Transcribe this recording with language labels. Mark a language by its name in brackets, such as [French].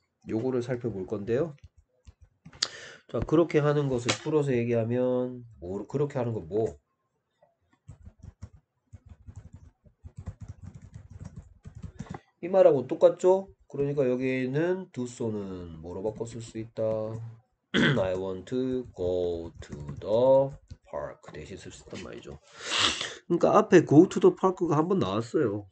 [Korean] 요거를 살펴볼 건데요. 자, 그렇게 하는 것을 풀어서 얘기하면 뭐 그렇게 하는 건 뭐? 이 말하고 똑같죠? 그러니까 여기에는 두 손은 뭐로 바꿔 쓸수 있다. [English] I want to go to the park [Korean] 대신 쓸수 있단 말이죠. 그러니까 앞에 [English] go to the park [Korean] 가 한번 나왔어요.